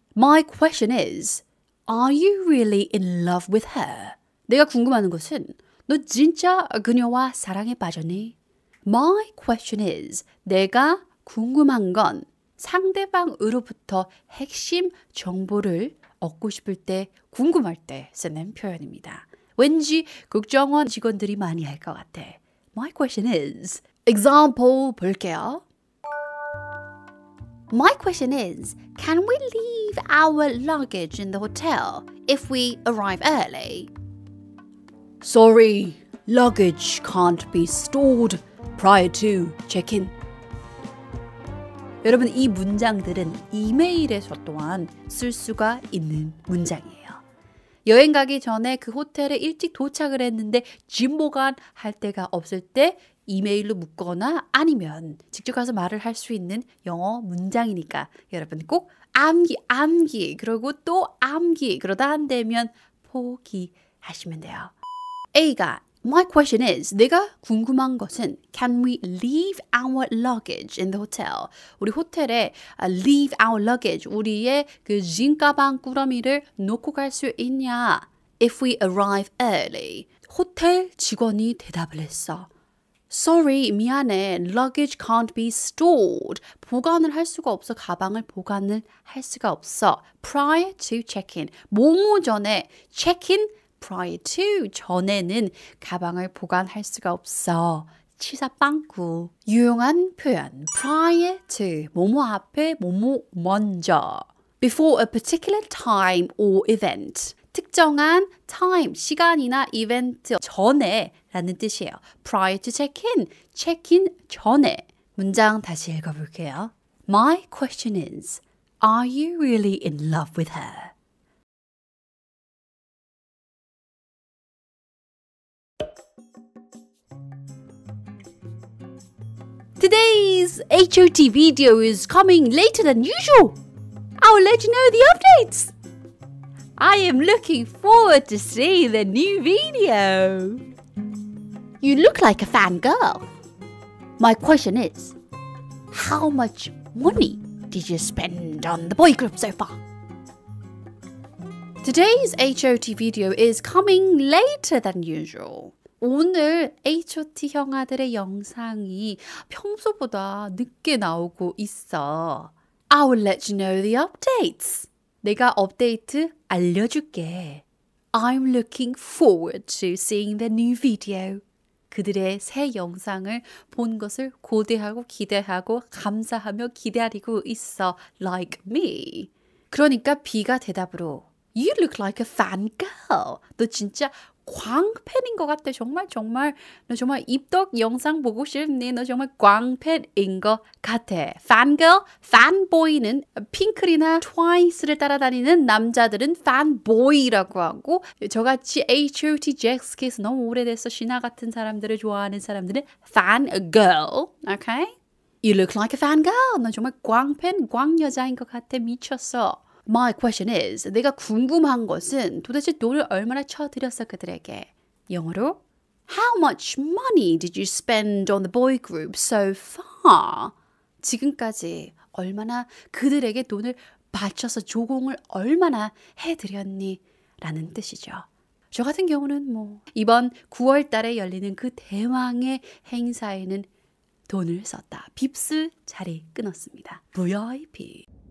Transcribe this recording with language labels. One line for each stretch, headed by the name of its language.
English: My question is, are you really in love with her?
Korean: 내가 궁금하는 것은, 너 진짜 그녀와 사랑에 빠졌니?
English: My question is,
Korean: 내가 궁금한 건 상대방으로부터 핵심 정보를 얻고 싶을 때, 궁금할 때 쓰는 표현입니다. 왠지 국정원 직원들이 많이 할 것 같아.
English: My question is,
Korean: example 볼게요.
English: My question is, can we leave our luggage in the hotel if we arrive early? Sorry, luggage can't be stored prior to check-in.
Korean: 여러분, 이 문장들은 이메일에서 또한 쓸 수가 있는 문장이에요. 여행 가기 전에 그 호텔에 일찍 도착을 했는데 짐 보관할 데가 없을 때 이메일로 묻거나 아니면 직접 가서 말을 할 수 있는 영어 문장이니까 여러분 꼭 암기 그러고 또 암기 그러다 안 되면 포기하시면 돼요.
English: A가 My question is
Korean: 내가 궁금한 것은
English: Can we leave our luggage in the hotel?
Korean: 우리 호텔에
English: leave our luggage
Korean: 우리의 그 짐 가방 꾸러미를 놓고 갈 수 있냐?
English: If we arrive early
Korean: 호텔 직원이 대답을 했어.
English: Sorry,
Korean: 미안해.
English: Luggage can't be stored.
Korean: 보관을 할 수가 없어. 가방을 보관을 할 수가 없어.
English: Prior to check-in.
Korean: 뭐뭐 전에 check-in prior to 전에는 가방을 보관할 수가 없어. 치사빵꾸. 유용한 표현. Prior to. 뭐뭐 앞에 뭐뭐 먼저.
English: Before a particular time or event.
Korean: 특정한 time, 시간이나 이벤트 전에 라는 뜻이에요.
English: Prior to check-in, check-in 전에.
Korean: 문장 다시 읽어볼게요.
English: My question is, are you really in love with her? Today's HOT video is coming later than usual. I will let you know the updates. I am looking forward to seeing the new video. You look like a fangirl. My question is, how much money did you spend on the boy group so far? Today's HOT video is coming later than usual.
Korean: 오늘 HOT 형아들의 영상이 평소보다 늦게 나오고 있어.
English: I will let you know the updates.
Korean: 내가 업데이트 알려줄게.
English: I'm looking forward to seeing the new video.
Korean: 그들의 새 영상을 본 것을 고대하고 기대하고 감사하며 기다리고 있어.
English: Like me.
Korean: 그러니까 B가 대답으로
English: You look like a fan girl.
Korean: 너 진짜 광팬인 것 같아. 정말 너 정말 입덕 영상 보고 싶니? 너 정말 광팬인 것 같아. Fan girl, fan boy는 핑클이나 트와이스를 따라다니는 남자들은 fan boy라고 하고 저같이 H.O.T. Jacks 너무 오래돼서 신화 같은 사람들을 좋아하는 사람들은 fan girl. Okay?
English: You look like a fan girl.
Korean: 너 정말 광팬, 광여자인 것 같아. 미쳤어.
English: My question is,
Korean: 내가 궁금한 것은 도대체 돈을 얼마나 쳐드렸어 그들에게? 영어로?
English: How much money did you spend on the boy group so far?
Korean: 지금까지 얼마나 그들에게 돈을 바쳐서 조공을 얼마나 해드렸니? 라는 뜻이죠. 저 같은 경우는 뭐 이번 9월 달에 열리는 그 대망의 행사에는 돈을 썼다. 빕스 자리 끊었습니다. VIP.